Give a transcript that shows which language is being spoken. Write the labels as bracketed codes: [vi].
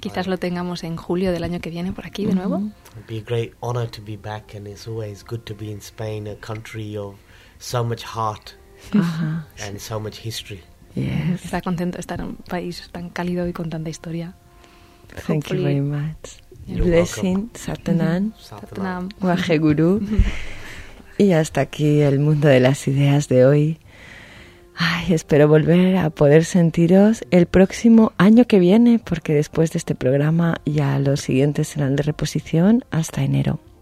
[es] Quizás lo tengamos en julio del año que viene por aquí de nuevo. [en] It'd be a great honor to be back, and it's always good to be in Spain, a country of so much heart and so much history. Yes. [es] Está contento de estar en un país tan cálido y con tanta historia. [en] Thank you very much. You're blessing, Satnam, Waheguru. [es] Y hasta aquí el mundo de las ideas de hoy. Ay, espero volver a poder sentiros el próximo año que viene, porque después de este programa ya los siguientes serán de reposición hasta enero.